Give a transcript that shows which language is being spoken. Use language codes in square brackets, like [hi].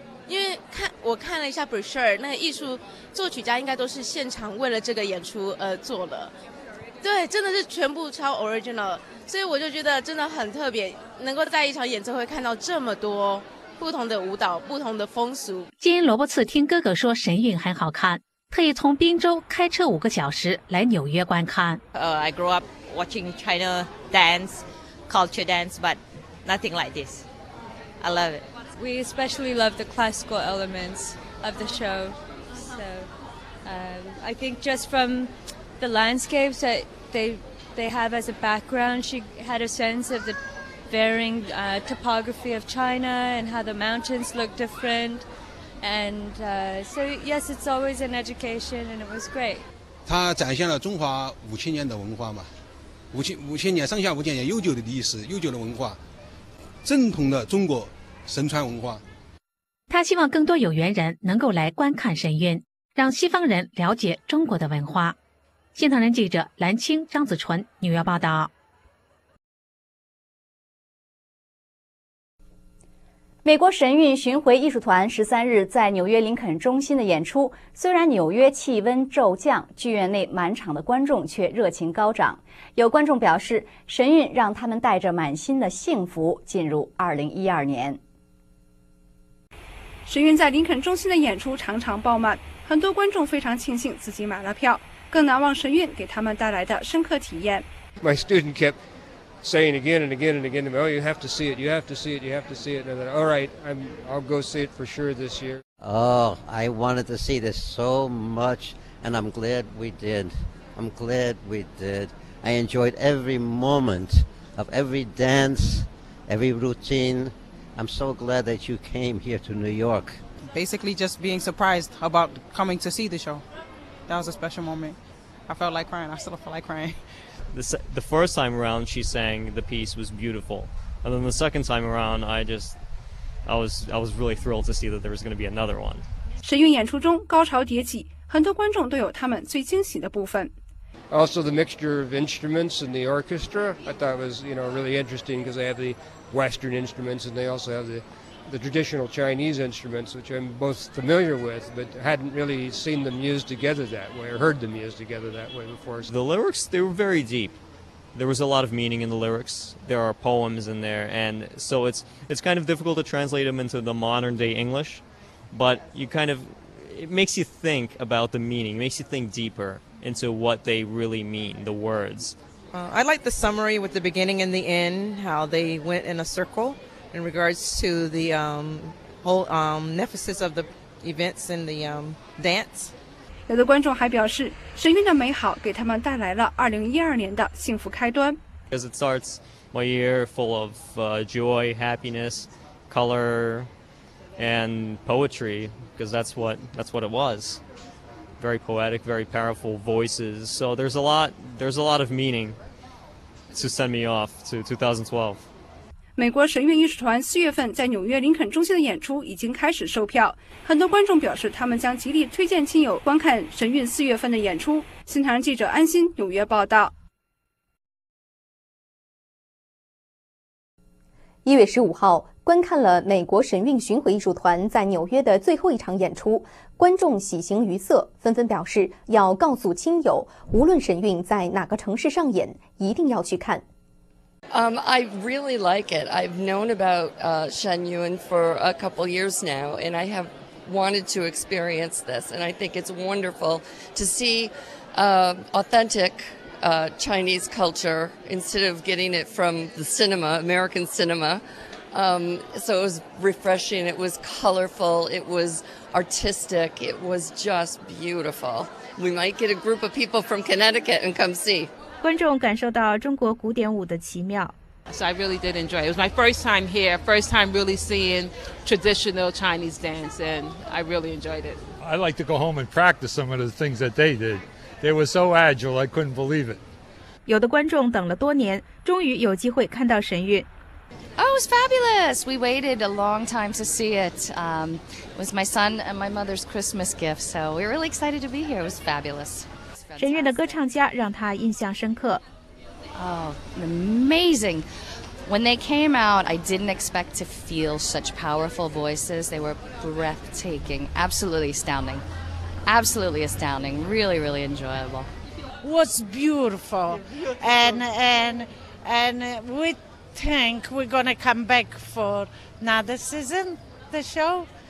[zh] 因为我看了一下 [en] brochure， [zh] 那个艺术作曲家应该都是现场为了这个演出而做了，对，真的是全部超 [en] original， [zh] 所以我就觉得真的很特别，能够在一场演奏会看到这么多不同的舞蹈、不同的风俗。金萝卜刺听哥哥说神韵很好看，特意从宾州开车5个小时来纽约观看。 [en] I grew up watching China dance, culture dance, but nothing like this. I love it. We especially love the classical elements of the show. So, I think just from the landscapes that they have as a background, she had a sense of the varying topography of China and how the mountains look different. And so yes, it's always an education, and it was great. [zh] 它展现了中华5000年的文化嘛，五千年上下5000年悠久的历史、悠久的文化，正统的中国神传文化。他希望更多有缘人能够来观看神韵，让西方人了解中国的文化。新唐人记者蓝青、张子纯，纽约报道。美国神韵巡回艺术团13日在纽约林肯中心的演出，虽然纽约气温骤降，剧院内满场的观众却热情高涨。有观众表示，神韵让他们带着满心的幸福进入2012年。神韵在林肯中心的演出常常爆满，很多观众非常庆幸自己买了票，更难忘神韵给他们带来的深刻体验。 [en] My student kept saying again and again and again to me, oh, you have to see it, you have to see it, you have to see it. And then, all right, I'll go see it for sure this year. Oh, I wanted to see this so much, and I'm glad we did. I'm glad we did. I enjoyed every moment of every dance, every routine. I'm so glad that you came here to New York. Basically, just being surprised about coming to see the show. That was a special moment. I felt like crying. I still feel like crying. The first time around, she sang the piece was beautiful. And then the second time around, I was really thrilled to see that there was going to be another one. [zh] 神韵演出中高潮迭起，很多观众都有他们最惊喜的部分。 [en] Also, the mixture of instruments in the orchestra, I thought was, you know, really interesting because they have the Western instruments and they also have the traditional Chinese instruments, which I'm both familiar with, but hadn't really seen them used together that way or heard them used together that way before. The lyrics, they were very deep. There was a lot of meaning in the lyrics. There are poems in there, and so it's kind of difficult to translate them into the modern day English, but you kind of, it makes you think about the meaning, makes you think deeper into what they really mean, the words. I like the summary with the beginning and the end, how they went in a circle in regards to the whole emphasis of the events and the dance. [zh] 有的观众还表示，神韵的美好给他们带来了2012年的幸福开端。 [en] Because it starts my year full of joy, happiness, color, and poetry, because that's what it was. Very poetic, very powerful voices. So there's a lot of meaning to send me off to 2012. [zh] 美国神韵艺术团四月份在纽约林肯中心的演出已经开始售票。很多观众表示，他们将极力推荐亲友观看神韵四月份的演出。新唐人记者安心，纽约报道。一月十五号，观看了美国神韵巡回艺术团在纽约的最后一场演出。观众喜形于色，纷纷表示要告诉亲友，无论神韵在哪个城市上演，一定要去看。 [en] I really like it. I've known about Shen Yun for a couple years now, and I have wanted to experience this. And I think it's wonderful to see authentic Chinese culture instead of getting it from the cinema, American cinema. So it was refreshing. It was colorful. It was. Artistic. It was just beautiful. We might get a group of people from Connecticut and come see. [zh] 观众感受到中国古典舞的奇妙。 [en] So I really did enjoy it. It was my first time here, first time really seeing traditional Chinese dance, and I really enjoyed it. I'd like to go home and practice some of the things that they did. They were so agile, I couldn't believe it. [zh] 有的观众等了多年，终于有机会看到神韵。 [en] Oh, it was fabulous. We waited a long time to see it. It was my son and my mother's Christmas gift, so we were really excited to be here. It was fabulous. [zh] 神韵的歌唱家让他印象深刻。 [en] Oh, amazing. When they came out, I didn't expect to feel such powerful voices. They were breathtaking, absolutely astounding. Absolutely astounding, really, really enjoyable. It was beautiful. And withThink we're gonna come back for another season, the show.